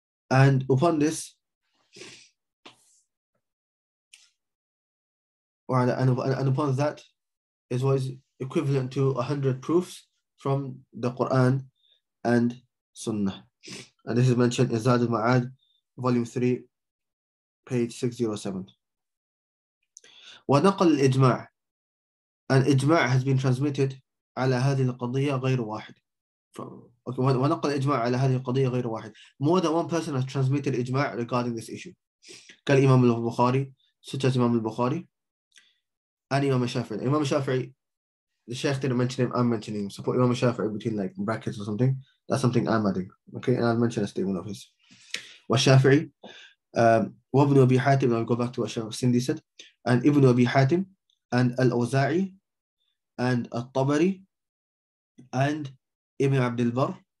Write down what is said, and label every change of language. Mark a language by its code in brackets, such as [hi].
[en] And upon this, and upon that, it was equivalent to 100 proofs from the Quran and Sunnah. And this is mentioned in Zad al-Ma'ad, volume 3, page 607. [ar] وَنَقَلْ الْإِجْمَاعِ. [en] An ijma' has been transmitted [ar] على هذه القضية غير واحد. وَنَقَلْ الْإِجْمَاعِ على هذه القضية غير واحد. [en] More than one person has transmitted ijma' regarding this issue. [ar] كالإمام البخاري, [en] such as Imam al-Bukhari, and Imam al-Shafi'i. Imam al-Shafi'i, the Shaykh didn't mention him, I'm mentioning him. So put Imam al-Shafi'i between like brackets or something. That's something I'm adding. Okay, and I'll mention a statement of his. Al-Shafi'i, وابن أبي حاتم, I'll go back to what Shaykh Sindhi said, and Ibn Abi Hatim, and Al-Awza'i, and Al-Tabari, and Ibn Abdul Barr.